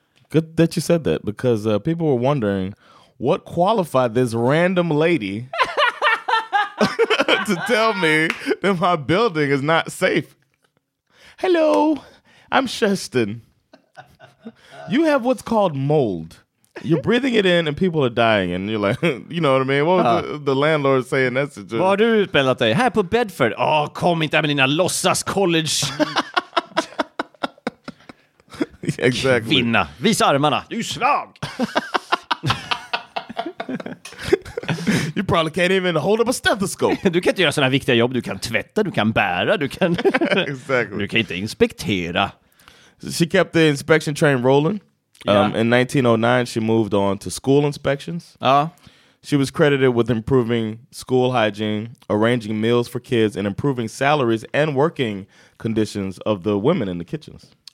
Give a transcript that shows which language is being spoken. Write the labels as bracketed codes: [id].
[en] Good that you said that, because people were wondering what qualified this random lady to tell me that my building is not safe. Hello, I'm Kerstin. You have what's called mold. You're breathing it in and people are dying. And you're like, you know what I mean? What was the landlord saying that situation? [sv] Vad har du utbildat dig? Här på Bedford? Åh, oh, kom inte med dina låtsas college. [en] Exactly. [sv] Kvinna, visa armarna. Du är svag. [en] You probably can't even hold up a stethoscope. [sv] Du kan inte göra sådana här viktiga jobb. Du kan tvätta, du kan bära, du kan [en] exactly. [sv] Du kan inte inspektera. [en] She kept the inspection train rolling. In 1909 she moved on to school inspections. She was credited with improving school hygiene, arranging meals for kids, and improving salaries and working conditions of the women in the kitchens.